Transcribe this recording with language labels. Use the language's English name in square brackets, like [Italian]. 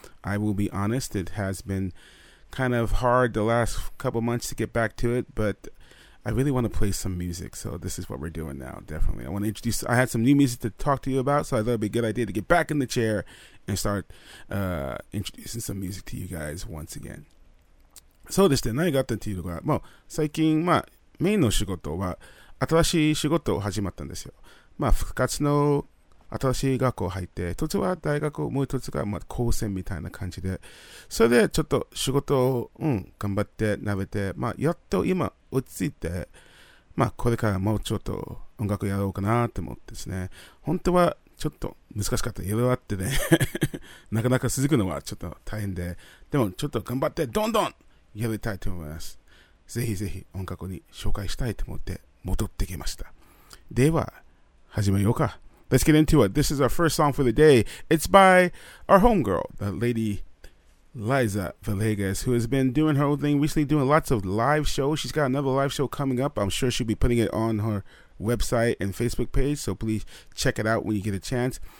[English] I will be honest, it has been kind of hard the last couple months to get back to it, but I really want to play some music. So this is what we're doing now, definitely. I want to introduce, I had some new music to talk to you about, so I thought it'd be a good idea to get back in the chair and start introducing some music to you guys once again. [Japanese] そうですね。何があったっていうのが、まあ、最近、まあ、メインの仕事は、新しい仕事を始まったんですよ。まあ、復活の新しい学校入って、一つは大学、もう一つが、まあ、高専みたいな感じで、それで、ちょっと仕事を、うん、頑張って、慣れて、まあ、やっと今、落ち着いて、まあ、これからもうちょっと音楽やろうかなって思ってですね。本当は、ちょっと難しかった。いろいろあってね。なかなか続くのは、ちょっと大変で、でも、ちょっと頑張って、どんどんやりたいと思います。ぜひぜひ音楽に紹介したいと思って戻ってきました。では、始めようか。 [English] Let's get into it. This is our first song for the day. It's by our homegirl, the lady Liza Villegas, who has been doing her own thing recently, doing lots of live shows. She's got another live show coming up. I'm sure she'll be putting it on her website and Facebook page, so please check it out when you get a chance.